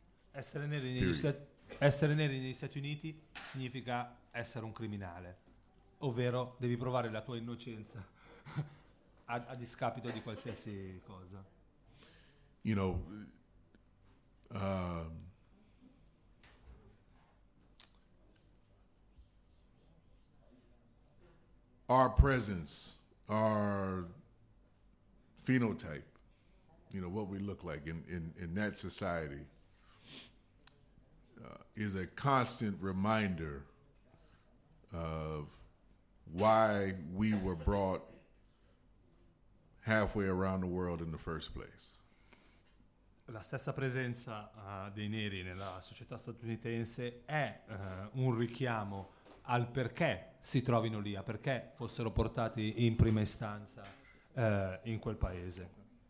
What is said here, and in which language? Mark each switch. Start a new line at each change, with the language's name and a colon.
Italian: Essere neri negli Stati Uniti significa essere un criminale, ovvero devi provare la tua innocenza a discapito di qualsiasi cosa.
English: You know, our presence, our phenotype, you know, what we look like in that society is a constant reminder of why we were brought halfway around the world in the first place.
Italian: La stessa presenza dei neri nella società statunitense è un richiamo al perché si trovino lì, a perché fossero portati in prima istanza in quel paese.